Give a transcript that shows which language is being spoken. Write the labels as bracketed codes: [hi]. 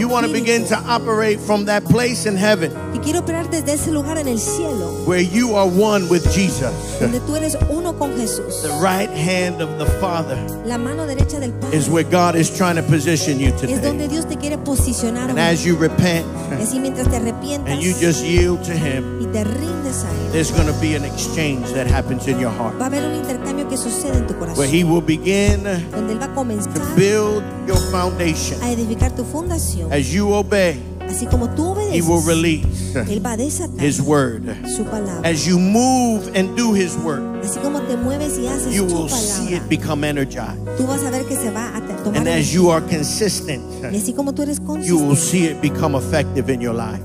[en] You want to begin to operate from that place in heaven. [es] Que quiero operar desde ese lugar en el cielo. [en] Where you are one with Jesus. [es] Donde tú eres uno con Jesús. [en] The right hand of the Father. [es] La mano derecha del Padre. [en] Is where God is trying to position you today. [es] Es donde Dios te quiere posicionar hoy. [en] And as you repent. [es] Así mientras te arrepientas. [en] And you just yield to him. [es] Y te rindes a él. [en] There's going to be an exchange that happens in your heart. [es] Va a haber un intercambio que sucede en tu corazón. [en] Where he will begin. [es] Donde él va a comenzar. [en] To build your foundation. [es] A edificar tu fundación. [en] As you obey, [es] así como tú obedeces, [en] he will release [es] él va a desatar [en] his word. [es] Su palabra. [en] As you move and do his work, [es] así como te mueves y haces [en] you [es] su [en] will [es] palabra, [en] see it become energized. [es] Tú vas a ver que se va a tomar [en] and [es] energía. [en] As you are consistent, [es] y así como tú eres consistente, [en] you will see it become effective in your life.